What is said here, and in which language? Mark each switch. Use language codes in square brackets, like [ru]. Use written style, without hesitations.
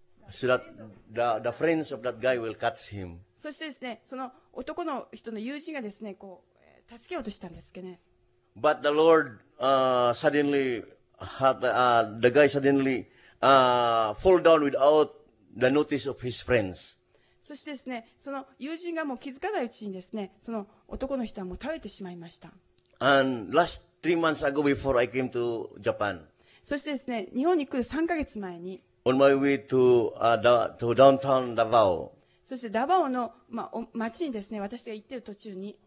[en] So that the friends of that guy will catch him. [ja] そしてですね、その男の人の友人がですね、こう助けようとしたんですけどね。 [en] But the Lord suddenly had the guy suddenly fall down without the notice of his friends. [ja] そしてですね、その友人がもう気づかないうちにですね、その男の人はもう倒れてしまいました。 [en] And last three months ago before I came to Japan. [ja] そしてですね、日本に来る3ヶ月前に。 [en] On my way to downtown Davao. [ja] そしてダバオの、まあ、町にですね、私が行ってる途中に。